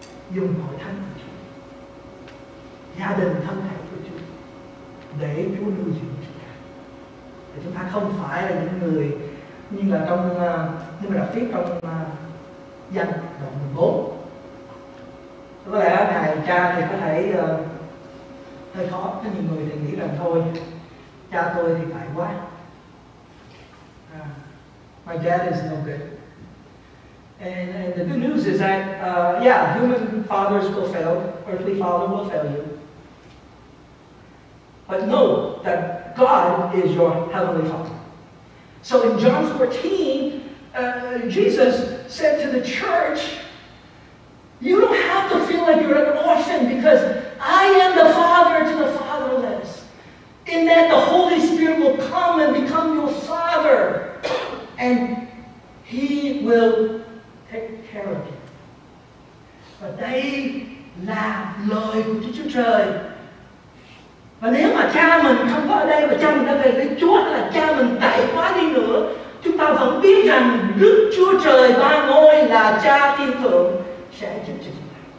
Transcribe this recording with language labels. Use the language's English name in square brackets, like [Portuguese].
[Vietnamese] dùng hội thánh của Chúa, gia đình thân thể của Chúa để Chúa nuôi dưỡng chúng ta, để chúng ta không phải là những người như là trong như là phía trong danh đoạn 14. Có lẽ ngài cha thì có thể hơi khó, có nhiều người thì nghĩ rằng thôi cha tôi thì phải quá, [English] my dad is no good. And the good news is that, human fathers will fail, earthly father will fail you. But know that God is your heavenly father. So in John 14, Jesus said to the church, you don't have to feel like you're an orphan because I am the father to the fatherless. In that the Holy Spirit will come and become your father. And he will take care of you. [Vietnamese] Và đây là lời của Đức Chúa Trời. Và nếu mà cha mình không có ở đây và cha mình đã về với Chúa, là cha mình tệ quá đi nữa, chúng ta vẫn biết rằng Đức Chúa Trời ba ngôi là cha thiên thượng sẽ giúp cho chúng ta.